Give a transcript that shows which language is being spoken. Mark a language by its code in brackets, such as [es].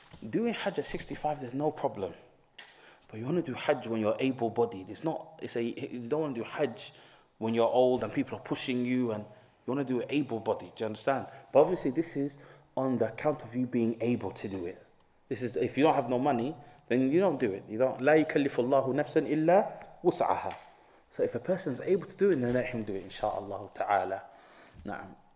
[en] Doing Hajj at 65, there's no problem. But you want to do Hajj when you're able-bodied. You don't want to do Hajj when you're old and people are pushing you, and you want to do it able-bodied, do you understand? But obviously this is on the account of you being able to do it. This is, if you don't have no money, then you don't do it. You don't. [ar] لا يكلف الله نفسا إلا وسعها. [en] So if a person is able to do it, then let him do it, inshallah ta'ala. Na'am.